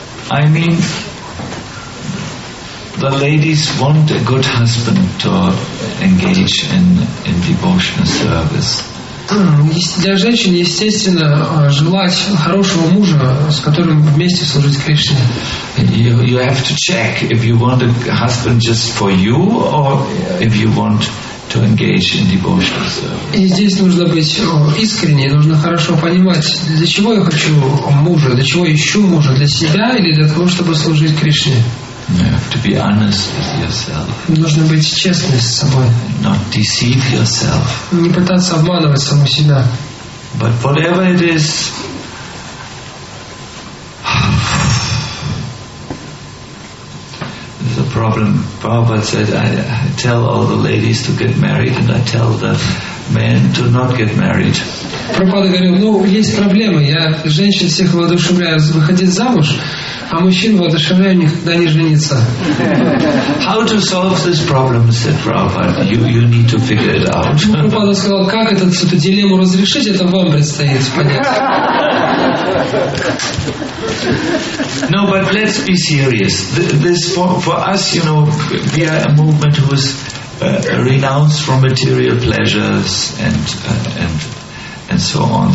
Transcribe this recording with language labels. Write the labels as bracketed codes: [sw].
[en] I mean, the ladies want a good husband to engage in devotional service. [ru] Для женщин, естественно, желать хорошего мужа, с которым вместе служить Кришне. [en] You have to check if you want a husband just for you or if you want to engage in devotional service. [ru] И здесь нужно быть искренней, нужно хорошо понимать, для чего я хочу мужа, для чего ищу мужа, для себя или для того, чтобы служить Кришне. [en] You have to be honest with yourself. [ru] Нужно быть честным с собой. [en] Not deceive yourself. [ru] Не пытаться обманывать саму себя. [en] But whatever it is, the problem. Prabhupada said, I tell all the ladies to get married, and I tell the men to not get married. [ru] Прабхупада говорил, есть проблемы. Я женщин всех воодушевляю выходить замуж. А мужчин воодушевляю никогда не жениться. [en] How to solve this problem, said Prabhupada. You need to figure it out. [ru] Прабхупада сказал, как эту дилемму разрешить, это вам предстоит понять. [en] No, but let's be serious. This for us, you know, we are a movement who is renounced from material pleasures and so on.